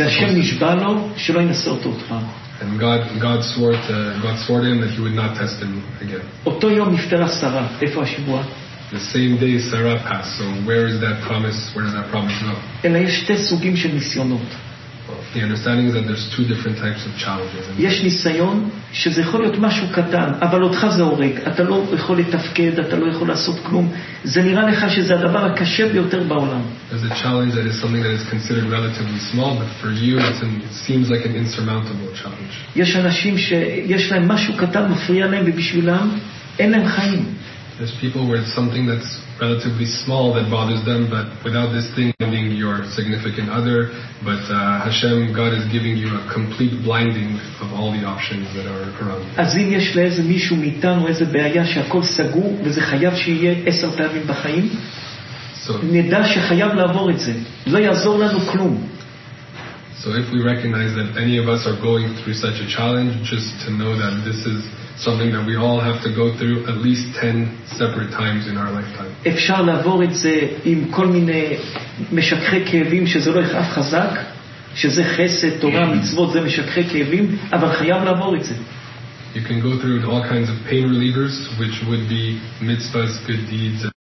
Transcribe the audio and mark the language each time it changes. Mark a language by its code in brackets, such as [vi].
[he] והשם נשבע לו שלא ינסה אותו עוד פעם. [en] And God swore to him that he would not test him again. [he] אותו יום נפטרה שרה. איפה השבוע? [en] The same day Sarah passed. So where is that promise? Where does that promise go? [he] אלא יש שתי סוגים של ניסיונות. [en] The understanding is that there's two different types of challenges. [he] יש ניסיון שזה יכול להיות משהו קטן, אבל אותך זה הורג. אתה לא יכול לתפקד, אתה לא יכול לעשות כלום. זה נראה לך שזה הדבר הקשה ביותר בעולם. [en] There's a challenge that is something that is considered relatively small, but for you it seems like an insurmountable challenge. [he] יש אנשים שיש להם משהו קטן מפריע להם ובשבילם אין להם חיים. [en] There's people where it's something that's relatively small that bothers them, but without this thing being your significant other, but Hashem, God is giving you a complete blinding of all the options that are around. [he] אז אם יש לאיזה מישהו מאיתנו איזה בעיה שהכל סגור וזה חייב שיהיה 10 פעמים בחיים, נדע שחייב לעבור את זה. לא יעזור לנו כלום. [en] So if we recognize that any of us are going through such a challenge, just to know that this is something that we all have to go through at least 10 separate times in our lifetime. [he] אפשר לעבור את זה עם כל מיני משככי כאבים שזה לא יכאב חזק, שזה חסד, תורה, מצוות, זה משככי כאבים, אבל חייב לעבור את זה. [en] You can go through all kinds of pain relievers, which would be mitzvahs, good deeds,